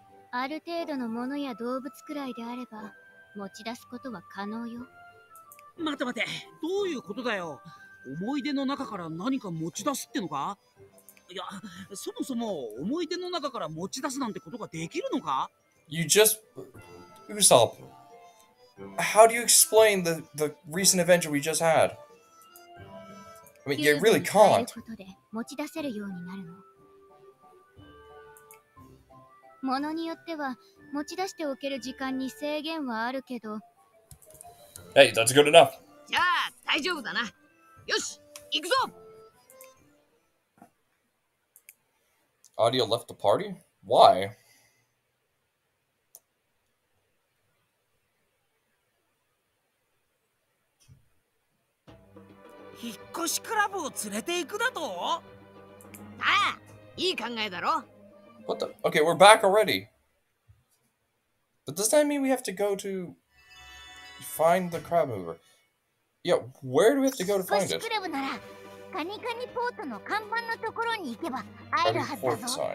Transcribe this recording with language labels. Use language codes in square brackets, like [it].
[ja] ある程度のものや動物くらいであれば持ち出すことは可能よ。待て待て、どういうことだよ。思い出の中から何か持ち出すってのか？いや、そもそも思い出の中から持ち出すなんてことができるのか？ [en] You just... Usopp... How do you explain the recent adventure we just had? I mean, you really can't. [ja] 持ち出せるようになるの。物によっては持ち出しておける時間に制限はあるけど。 [en] Hey, that's good enough. [ja] じゃあ、大丈夫だな。よし、行くぞ。 [en] Audio left the party? Why? [ja] Hikkoshi Club を連れて行くだと? ああ、いい考えだろ? [en] What the? Okay, we're back already. But does that mean we have to go to find the crab mover? Yeah, where do we have to go to find it? [ja] カニカニポートの看板のところに行けば会えるはずだぞ。